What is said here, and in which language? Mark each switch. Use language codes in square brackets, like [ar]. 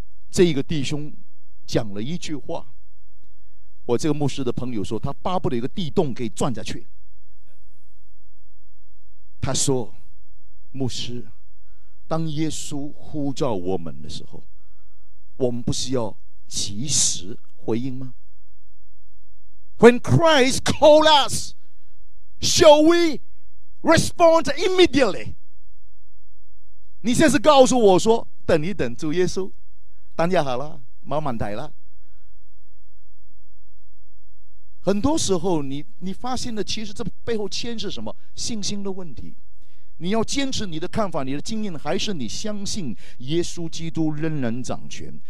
[zh] 这个弟兄讲了一句话，我这个牧师的朋友说，他巴不得一个地洞可以钻下去。他说，牧师，当耶稣呼召我们的时候，我们不是要及时回应吗？ [en] When Christ call us, shall we respond immediately? [zh] 你现在是告诉我说，等一等，主耶稣，等一下好了，慢慢待了。很多时候你发现的其实这背后牵是什么？信心的问题。你要坚持你的看法，你的经验，还是你相信耶稣基督仍然掌权？